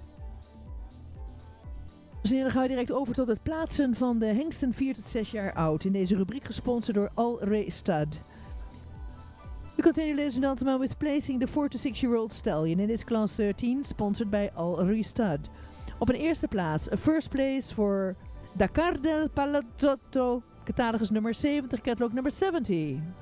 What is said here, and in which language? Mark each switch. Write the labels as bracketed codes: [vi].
[nl] Dames en heren, dan gaan we direct over tot het plaatsen van de hengsten 4 tot 6 jaar oud. In deze rubriek gesponsord door Al Ray Stud. [en] We continue, ladies and gentlemen, with placing the 4 to 6 year old stallion in this class 13, sponsored by Al Ray Stud. [nl] Op een eerste plaats, [en] a first place for [nl] Dakar del Palazzotto, catalogus nummer 70, catalog nummer 70.